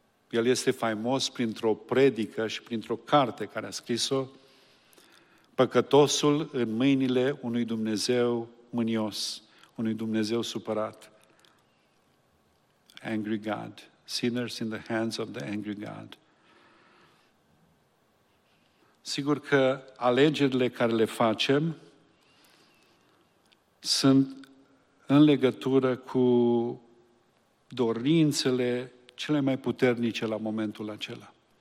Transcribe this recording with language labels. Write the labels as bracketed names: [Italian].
[Romanian] El este faimos printr-o predică și printr-o carte care a scris-o: păcătosul în mâinile unui Dumnezeu mânios, unui Dumnezeu supărat. [English] Angry God. Sinners in the hands of the angry God. [Romanian] Sigur că alegerile care le facem sunt în legătură cu dorințele cele mai puternice la momentul acela.